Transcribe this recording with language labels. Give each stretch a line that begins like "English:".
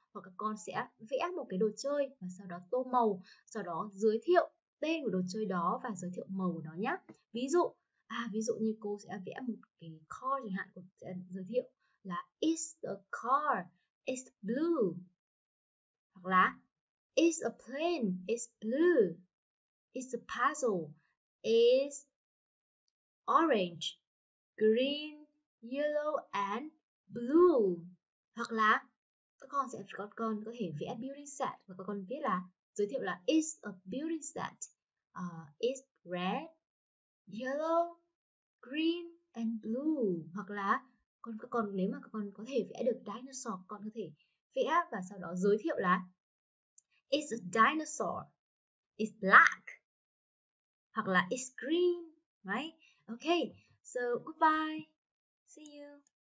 Vietnamese: Hoặc các con sẽ vẽ một cái đồ chơi và sau đó tô màu, sau đó giới thiệu tên của đồ chơi đó và giới thiệu màu của nó nhé. Ví dụ như cô sẽ vẽ một cái car chẳng hạn, cô sẽ giới thiệu là
English: it's a car, it's blue.
Vietnamese: Hoặc là
English: it's a plane, it's blue. It's a puzzle, it's orange, green, yellow and blue.
Vietnamese: Hoặc là các con có thể vẽ building set và các con viết là giới thiệu là
English: it's a building set. It's red, yellow, green and blue.
Vietnamese: Hoặc là các con nếu mà các con có thể vẽ được dinosaur, con có thể vẽ và sau đó giới thiệu là
English: it's a dinosaur. It's black.
Vietnamese: Hoặc là
English: it's green, right? Okay. So, goodbye. See you.